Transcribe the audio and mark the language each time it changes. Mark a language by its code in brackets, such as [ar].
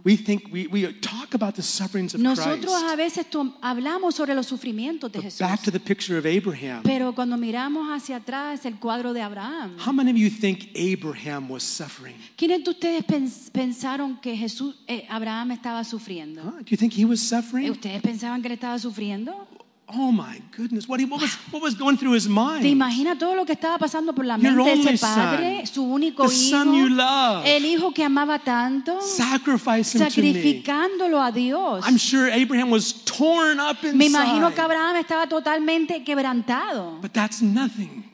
[en] We think we talk about the sufferings of [es] nosotros [en] Christ. [es] A veces hablamos sobre los sufrimientos de [en] but [es] Jesús. [en] Back to the picture of Abraham. [es] Pero cuando miramos hacia atrás el cuadro de Abraham. [en] How many of you think Abraham was suffering? [es] ¿Quiénes de ustedes pensaron que Jesús Abraham estaba sufriendo? [en] Huh? Do you think he was suffering? [es] ¿Ustedes pensaban que él estaba sufriendo? [en] Oh my goodness, what was going through his mind? [es] ¿Te imaginas todo lo que estaba pasando por la mente de ese padre, su único hijo, [en] the son you love, [es] el hijo que amaba tanto, sacrificándolo a Dios? [en] I'm sure Abraham was torn up inside. [es] Me imagino que Abraham estaba totalmente quebrantado. [en] But that's nothing.